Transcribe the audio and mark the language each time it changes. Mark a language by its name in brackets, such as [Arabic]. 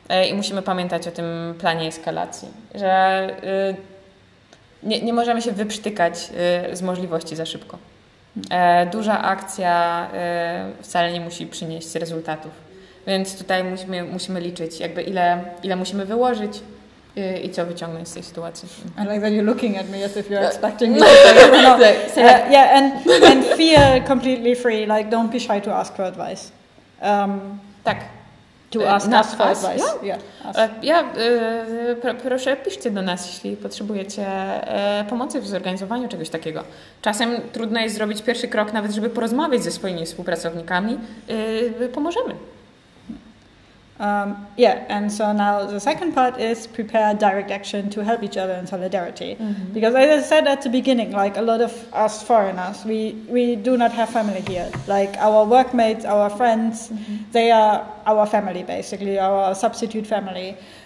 [Polish] I musimy pamiętać o tym planie eskalacji, że nie możemy się wyprztykać z możliwości za szybko. Duża akcja wcale nie musi przynieść rezultatów. Więc tutaj musimy liczyć, jakby ile musimy wyłożyć, I co wyciągnąć z tej sytuacji. [English] I like that you're looking at me as if you're expecting me to say it or not. And feel completely free, like don't be shy to ask for advice. [Polish] Tak. [English] To ask us for advice. Yeah. [Polish] Proszę, piszcie do nas, jeśli potrzebujecie pomocy w zorganizowaniu czegoś takiego. Czasem trudno jest zrobić pierwszy krok, nawet żeby porozmawiać ze swoimi współpracownikami. Pomożemy. [English] And so now the second part is prepare direct action to help each other in solidarity. Mm-hmm. Because as I said at the beginning, like a lot of us foreigners, we do not have family here. Like our workmates, our friends, mm-hmm. they are our family basically, our substitute family.